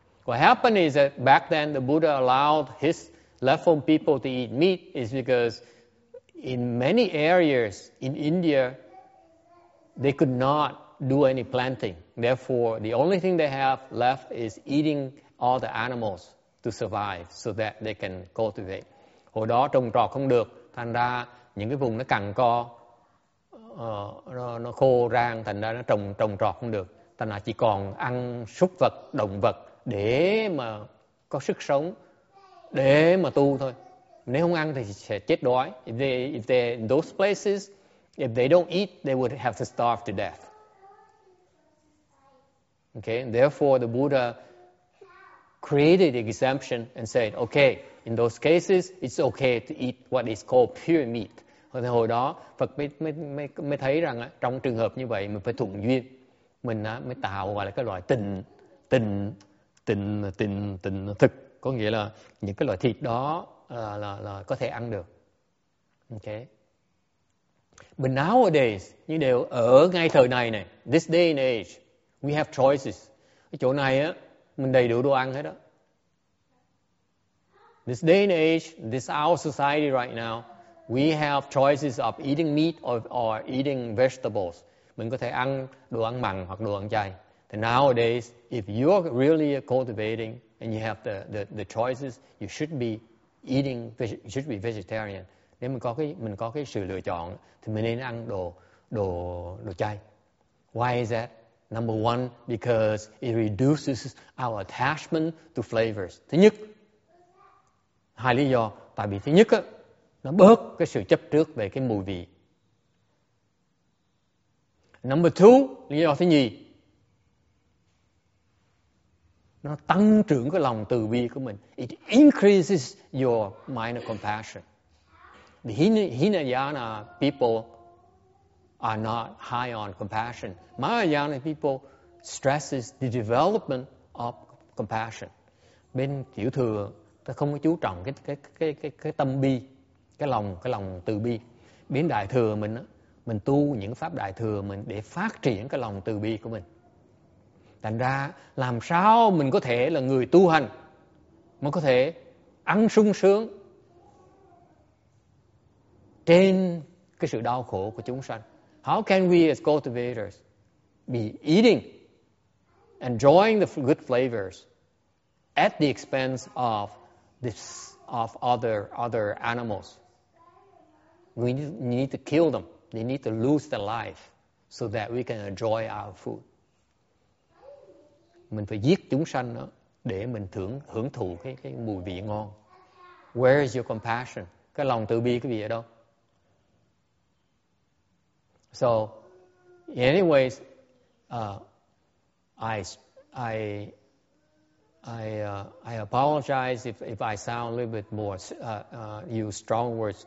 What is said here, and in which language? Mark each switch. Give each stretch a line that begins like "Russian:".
English: What happened is that back then the Buddha allowed his leftover people to eat meat is because in many areas in India, they could not do any planting. Therefore, the only thing they have left is eating all the animals to survive so that they can cultivate.
Vietnamese: Hồi đó trồng trọt không được, thành ra những cái vùng nó cằn co, nó khô rang, thành ra nó trồng trọt không được. Thành ra chỉ còn ăn súc vật, động vật để mà có sức sống, để mà tu thôi. Nếu không ăn thì sẽ chết đói.
English: If they in those places, if they don't eat, they would have to starve to death. Okay, therefore the Buddha created exemption and said, okay, in those cases, it's okay to eat what is called pure meat.
Vietnamese: Hồi đó, Phật mới thấy rằng trong trường hợp như vậy mình phải thuận duyên, mình mới tạo gọi là cái loại tịnh thực, có nghĩa là những cái loại thịt đó là có thể ăn được. Okay.
English: But nowadays,
Vietnamese: như đều ở ngay thời này này,
English: this day and age, we have choices.
Vietnamese: Cái chỗ này á, mình đầy đủ đồ ăn hết đó.
English: This day and age, this our society right now, we have choices of eating meat or eating vegetables.
Vietnamese: Mình có thể ăn đồ ăn mặn hoặc đồ ăn chay.
English: Then nowadays, if you're really cultivating and you have the choices, you should be eating, you should be vegetarian.
Vietnamese: Nếu mình có cái sự lựa chọn thì mình nên ăn đồ chay.
English: Why is that? Number one, because it reduces our attachment to flavors.
Vietnamese: Thứ nhất, hai lý do. Tại vì thứ nhất, nó bớt cái sự chấp trước về cái mùi vị.
English: Number two,
Vietnamese: lý do thứ nhì, nó tăng trưởng cái lòng từ bi của mình.
English: It increases your mind of compassion. The Hinayana people are not high on compassion. Mahayana people stresses the development of compassion.
Vietnamese: Bên tiểu thừa ta không có chú trọng cái tâm bi, cái lòng từ bi. Bên đại thừa mình tu những pháp đại thừa mình để phát triển cái lòng từ bi của mình. Thành ra làm sao mình có thể là người tu hành mà có thể ăn sung sướng trên cái sự đau khổ của chúng sanh?
English: How can we as cultivators be eating, enjoying the good flavors at the expense of this of other animals? We need to kill them. They need to lose their life so that we can enjoy our food.
Vietnamese: Mình phải giết chúng sanh đó để mình hưởng thụ cái mùi vị ngon.
English: Where is your compassion?
Vietnamese: Cái lòng từ bi cái gì ở đâu?
English: So, anyways, I apologize if I sound a little bit more use strong words.